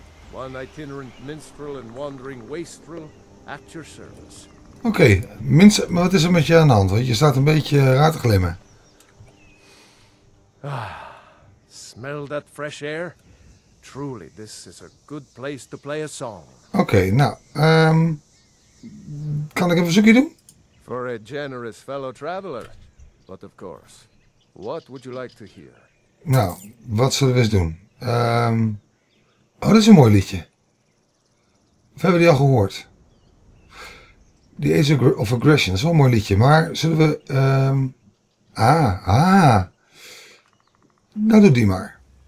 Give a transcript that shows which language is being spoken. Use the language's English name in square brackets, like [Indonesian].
[English] One itinerant minstrel and wandering wastrel at your service. [Dutch] Oké, maar wat is er met je aan de hand? Want je staat een beetje raar te glimmen. [English] Ah, smell that fresh air? Truly, this is a good place to play a song. [Dutch] Okay, nou, kan ik een verzoekje doen? [English] For a generous fellow traveler. But of course, what would you like to hear? [Dutch] Nou, wat zullen we eens doen? Oh, dat is een mooi liedje. Of hebben we die al gehoord? The Age of Aggression, dat is wel een mooi liedje. Maar zullen we, nou, doe die maar.